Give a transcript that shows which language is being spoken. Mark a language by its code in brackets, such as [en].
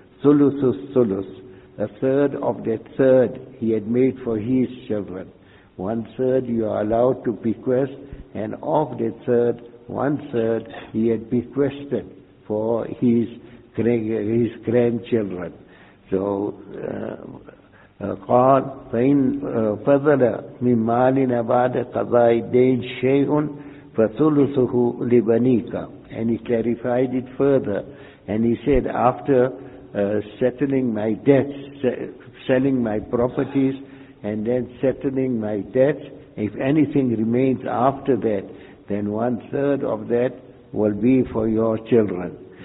[en] Thulusus thulus. A third of that third he had made for his children. One third you are allowed to bequest, and of that third, one third he had bequested for his grandchildren. [ar] So, قال فإن فضل من مالنا بعد قضاء الدين شيء فثلثه لبنيك. [en] And he clarified it further, and he said, after settling my debts, selling my properties, and then settling my debts, if anything remains after that, then one third of that will be for your children.